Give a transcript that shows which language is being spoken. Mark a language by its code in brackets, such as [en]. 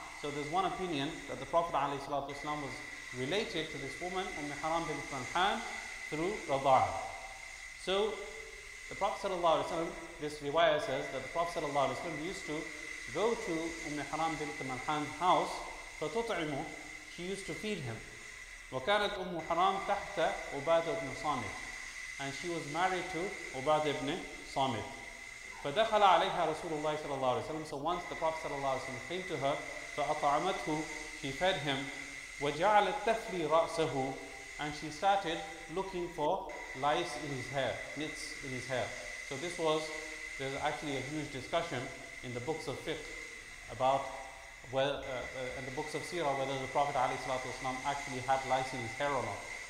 [en] So there's one opinion that the Prophet ﷺ was related to this woman, Ummi Haram bint Malhan, through Rabaa. So the Prophet ﷺ, this riwayah says that the Prophet ﷺ used to go to Ummi Haram bint Malhan's house, فتطعمه, she used to feed him. [ar] وكانت أم حرام تحت عبادة بن صامت, and she was married to عبادة بن صامت. [en] فدخل عليها رسول الله صلى الله عليه وسلم, so once the Prophet صلى الله عليه وسلم came to her, فأطعمته, she fed him, وجعلت تفلي رأسه, and she started looking for lice in his hair, nits in his hair. So this was, there's actually a huge discussion in the books of fiqh about, well, in the books of seerah, whether the Prophet ﷺ actually had lice in his hair or not.